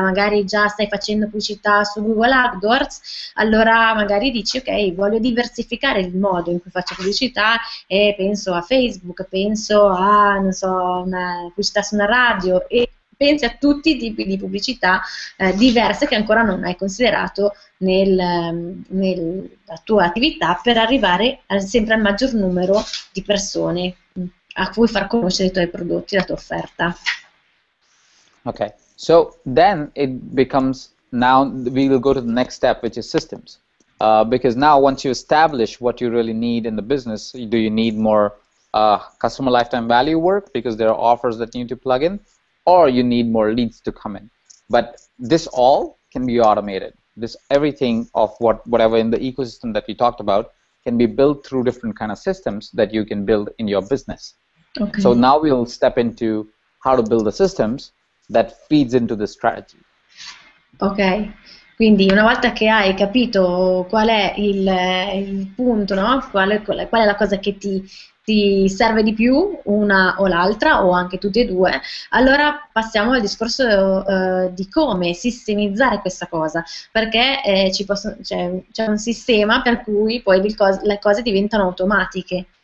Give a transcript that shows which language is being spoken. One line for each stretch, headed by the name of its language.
Italian: Magari già stai facendo pubblicità su Google AdWords, allora magari dici ok, voglio diversificare il modo in cui faccio pubblicità, e penso a Facebook, penso a, non so, una pubblicità su una radio, e pensi a tutti i tipi di pubblicità diverse che ancora non hai considerato nella tua attività, per arrivare sempre al maggior numero di persone a cui far conoscere i tuoi prodotti, la tua offerta.
English: Ok, so then it becomes, now we will go to the next step, which is systems. Because now once you establish what you really need in the business, do you need more customer lifetime value work, because there are offers that you need to plug in, or you need more leads to come in. But this all can be automated. This everything of whatever in the ecosystem that we talked about can be built through different kind of systems that you can build in your business. Okay. So now we'll step into how to build the systems that feeds into the strategy. Okay.
Italian: Quindi una volta che hai capito qual è il punto, no? Qual è la cosa che ti serve di più, una o l'altra, o anche tutte e due, allora passiamo al discorso di come sistemizzare questa cosa, perché c'è un sistema per cui poi le cose diventano automatiche.